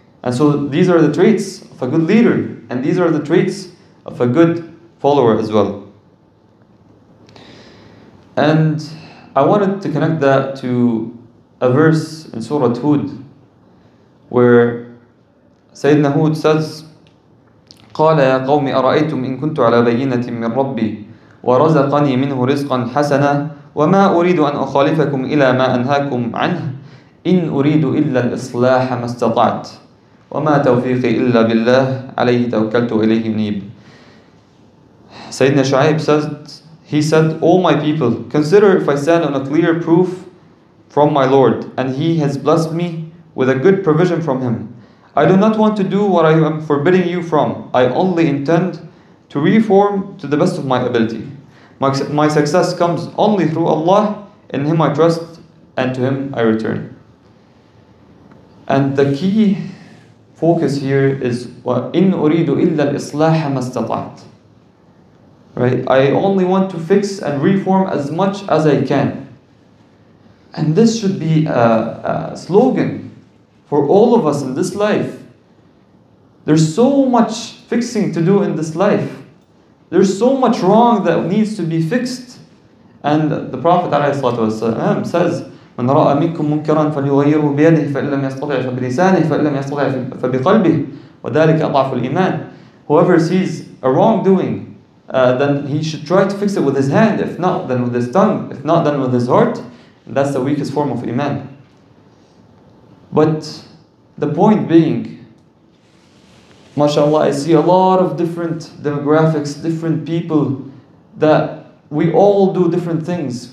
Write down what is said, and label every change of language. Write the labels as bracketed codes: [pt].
[en] And so these are the traits of a good leader, and these are the traits of a good follower as well. And I wanted to connect that to a verse in Surah Hud, where Sayyidina Hud says, [ar] قَالَ يَا قَوْمِ أَرَأَيْتُمْ إِن كُنْتُ عَلَى بَيِّنَةٍ مِّن رَبِّي وَرَزَقَنِي مِنْهُ رِزْقًا حَسَنًا وَمَا أُرِيدُ أَنْ أُخَالِفَكُمْ إِلَى مَا أَنْهَاكُمْ عَنْهُ إِنْ أُرِيدُ إِلَّا الْإِصْلَاحَ مَا اسْتَطَعْتُ وَمَا تَوْفِيقِ إِلَّا بِاللَّهِ عَلَيْهِ تَوَكَّلْتُ وَإِلَيْهِ أُنِيبُ. [en] Sayyidina Shu'ayb says, he said, O my people, consider if I stand on a clear proof from my Lord, and he has blessed me with a good provision from him. I do not want to do what I am forbidding you from. I only intend to reform to the best of my ability. My success comes only through Allah, in him I trust, and to him I return. And the key focus here is [ar] إِنْ أُرِيدُ إِلَّا الْإِصْلَاحَ مَا اسْتَطَعْتُ. [en] Right? I only want to fix and reform as much as I can. And this should be a slogan for all of us in this life. There's so much fixing to do in this life. There's so much wrong that needs to be fixed. And the Prophet ﷺ says, [ar] مَنْ رَأَى مِنْكُمْ مُنْكَرًا فَلْيُغَيِّرُهُ بِيَدِهِ فَإِنْ لَمْ يَسْتَطِعْ فَبِلِسَانِهِ فَإِنْ لَمْ يَسْتَطِعْ فَبِقَلْبِهِ وَذَلِكَ أَضْعَفُ الْإِيمَانِ. [en] Whoever sees a wrongdoing, then he should try to fix it with his hand. If not, then with his tongue. If not, then with his heart. And that's the weakest form of iman. But the point being, mashallah, I see a lot of different demographics, different people, that we all do different things.